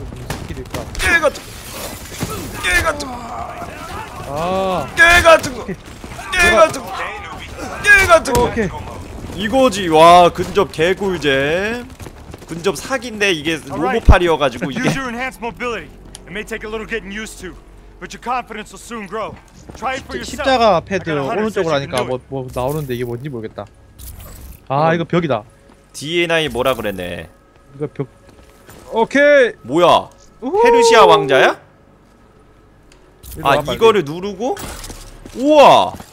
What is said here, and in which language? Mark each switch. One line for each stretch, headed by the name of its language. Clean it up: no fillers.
Korean: 스킬일까? 개 같은 거. 개 같은 거. 아. 개 같은 거. 개 같은 거. 개 같은 거. 이거지. 와, 근접 개꿀잼. 근접 사기인데 이게 로봇팔이어가지고 이게.
English: It may take a little getting used to, but your confidence will soon grow.
Korean: 십자가 패드 오른쪽으로 하니까 뭐 나오는데 이게 뭔지 모르겠다. 아 이거 벽이다. DNI 뭐라 그랬네. 이거 벽. 오케이. 뭐야? 페르시아 왕자야? 아 이거를 누르고? 우와.